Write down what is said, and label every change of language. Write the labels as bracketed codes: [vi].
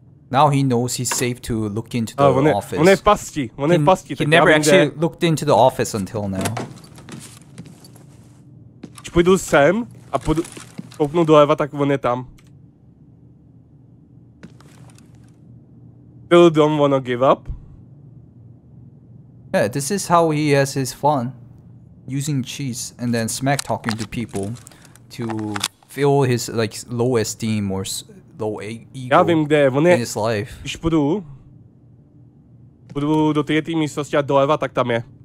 [en] Now he knows he's safe to look into the office. He never actually looked into the office until now. [cs] Když půjdu sem a půjdu, koupnu doleva, tak on je tam. [en] Still don't wanna give up. Yeah, this is how he has his fun. Using cheese and then smack talking to people to fill his like low esteem or low ego. [cs] Já vím, kde on je. [en] In his life. [cs] Když půjdu do třetí místnosti a doleva, tak tam je.